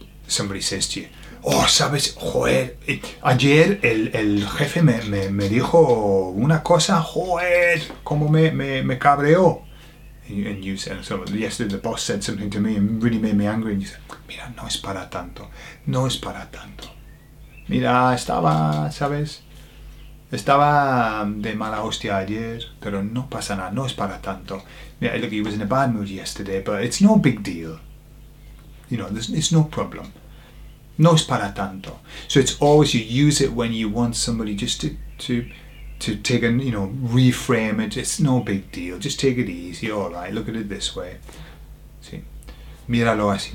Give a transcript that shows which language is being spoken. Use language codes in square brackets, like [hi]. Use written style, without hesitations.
[en] somebody says to you, [es] oh, sabes, joder, ayer el jefe me dijo una cosa, joder, como me cabreó. [en] And you said, so yesterday the boss said something to me and really made me angry. And you said, [es] mira, no es para tanto, no es para tanto. Mira, estaba, sabes, estaba de mala hostia ayer, pero no pasa nada, no es para tanto. Mira, [en] look, he was in a bad mood yesterday, but it's no big deal. You know, it's no problem. [es] No es para tanto. [en] So it's always, you use it when you want somebody just to take and, you know, reframe it. It's no big deal. Just take it easy. All right, look at it this way. [es] Sí. Míralo así.